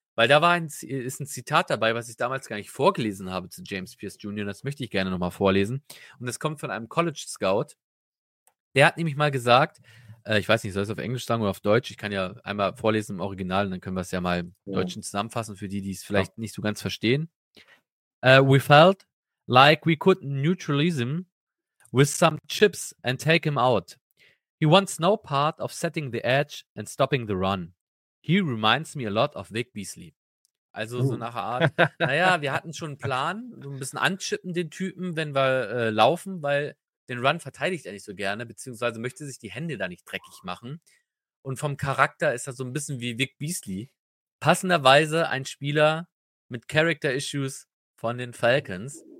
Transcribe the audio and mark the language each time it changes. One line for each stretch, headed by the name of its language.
German: Weil da ist ein Zitat dabei, was ich damals gar nicht vorgelesen habe zu James Pierce Jr. Das möchte ich gerne nochmal vorlesen. Und das kommt von einem College-Scout. Der hat nämlich mal gesagt, ich weiß nicht, soll ich es auf Englisch sagen oder auf Deutsch? Ich kann ja einmal vorlesen im Original und dann können wir es ja mal im Deutschen zusammenfassen für die, die es vielleicht nicht so ganz verstehen.
English: We felt like we could neutralize him with some chips and take him out. He wants no part of setting the edge and stopping the run. He reminds me a lot of Vic Beasley.
German: Also so nach der Art, naja, wir hatten schon einen Plan, so ein bisschen anchippen den Typen, wenn wir laufen, weil den Run verteidigt er nicht so gerne, beziehungsweise möchte sich die Hände da nicht dreckig machen. Und vom Charakter ist er so ein bisschen wie Vic Beasley. Passenderweise ein Spieler mit Character Issues von den Falcons.